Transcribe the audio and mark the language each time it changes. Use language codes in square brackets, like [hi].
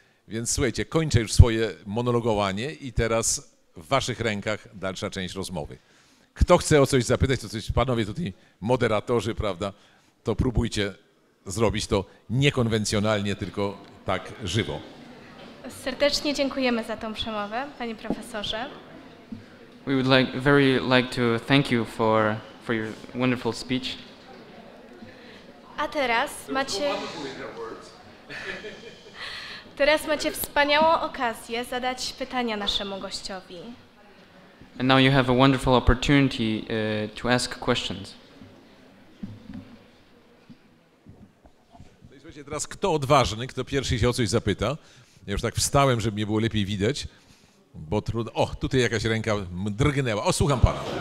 [pl] Więc słuchajcie, kończę już swoje monologowanie i teraz w Waszych rękach dalsza część rozmowy. Kto chce o coś zapytać, to coś, panowie tutaj moderatorzy, prawda, to próbujcie zrobić to niekonwencjonalnie, tylko tak żywo. Serdecznie dziękujemy za tą przemowę, panie profesorze. [en] We would very like to thank you for your wonderful speech. [pl] A teraz macie wspaniałą okazję zadać pytania naszemu gościowi. [en] And now you have a wonderful opportunity to ask questions. [pl] Słuchajcie, teraz kto odważny, kto pierwszy się o coś zapyta? Ja już tak wstałem, żeby mnie było lepiej widać, bo trudno. O, tutaj jakaś ręka drgnęła. O, słucham pana.